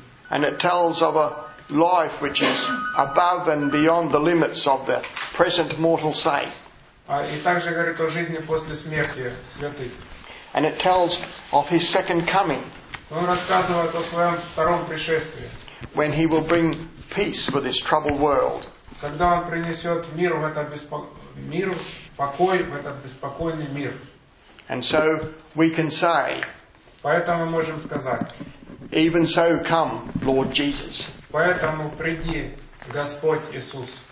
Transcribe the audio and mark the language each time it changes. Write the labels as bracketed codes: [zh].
[en] And it tells of a life which is above and beyond the limits of the present mortal sight. [ru] И также говорит о жизни после смерти святых. [en] And it tells of his second coming. [ru] Он рассказывает о своем втором пришествии. [en] When he will bring peace for this troubled world. [ru] Когда он принесет мир в этот мир, покой в этот беспокойный мир. [en] And so we can say. [ru] Поэтому можем сказать. [en] Even so, come, Lord Jesus. [ru] Поэтому приди, Господь Иисус.